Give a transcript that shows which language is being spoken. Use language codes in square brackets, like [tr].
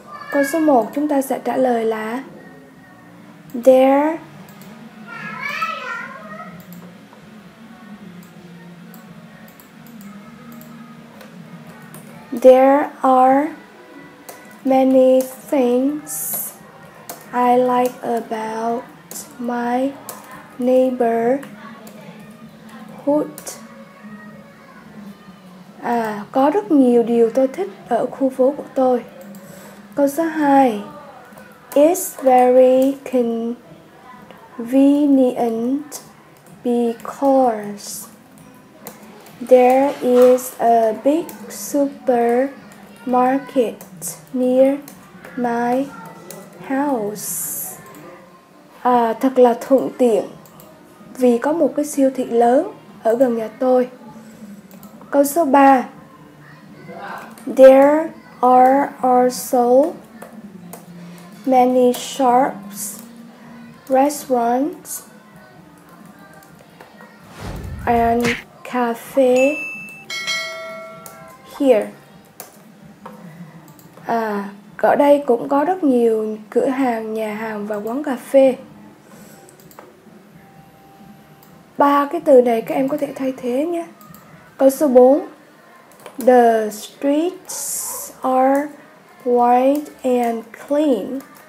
[vi] Câu số 1 chúng ta sẽ trả lời là [en] there there are many things I like about my neighborhood. [vi] À, có rất nhiều điều tôi thích ở khu phố của tôi. Câu số 2, [en] it's very convenient because there is a big supermarket near my house. [vi] À, thật là thuận tiện vì có một cái siêu thị lớn ở gần nhà tôi. Câu số 3, [en] there are also many shops, restaurants, and cafe here. [vi] À, ở đây cũng có rất nhiều cửa hàng, nhà hàng và quán cà phê. Ba cái từ này các em có thể thay thế nhé. Câu số 4, [en] the streets are wide and clean.